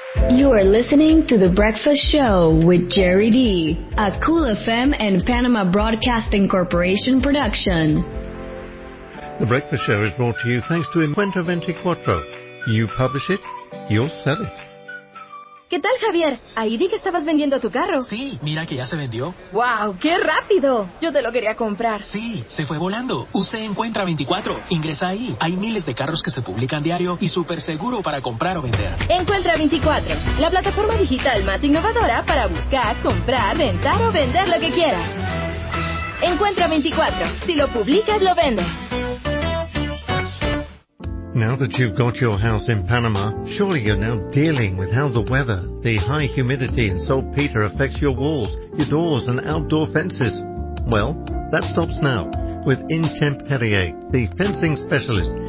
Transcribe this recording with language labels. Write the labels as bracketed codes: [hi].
[en] You are listening to The Breakfast Show with Jerry D, a Cool FM and Panama Broadcasting Corporation production. The Breakfast Show is brought to you thanks to Encuentro 24. You publish it, you'll sell it. [es] ¿Qué tal, Javier? Ahí vi que estabas vendiendo tu carro. Sí, mira que ya se vendió. ¡Wow! ¡Qué rápido! Yo te lo quería comprar. Sí, se fue volando. Usted encuentra 24. Ingresa ahí. Hay miles de carros que se publican diario y súper seguro para comprar o vender. Encuentra 24, la plataforma digital más innovadora para buscar, comprar, rentar o vender lo que quieras. Encuentra 24. Si lo publicas, lo vendes. [en] Now that you've got your house in Panama, surely you're now dealing with how the weather, the high humidity and saltpeter affects your walls, your doors and outdoor fences. Well, that stops now with Intemperie, the fencing specialist.